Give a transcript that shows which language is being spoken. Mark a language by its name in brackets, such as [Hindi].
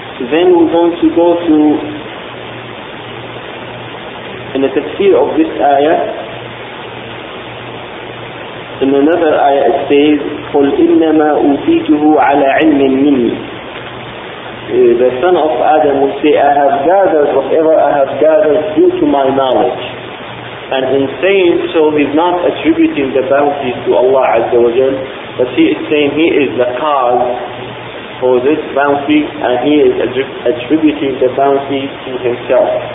[English] Then we're going to go to in the tafsir of this ayah. In another ayah it says, [Arabic] قُلْ إِنَّمَا أُوتِيتُهُ عَلَىٰ عِلْمٍ مِّنِّي. [English] The son of Adam will say, I have gathered whatever I have gathered due to my knowledge. And in saying so, he's not attributing the bounties to Allah Azza wa Jal, but he is saying he is the cause for this bounty, and he is attributing the bounty to himself.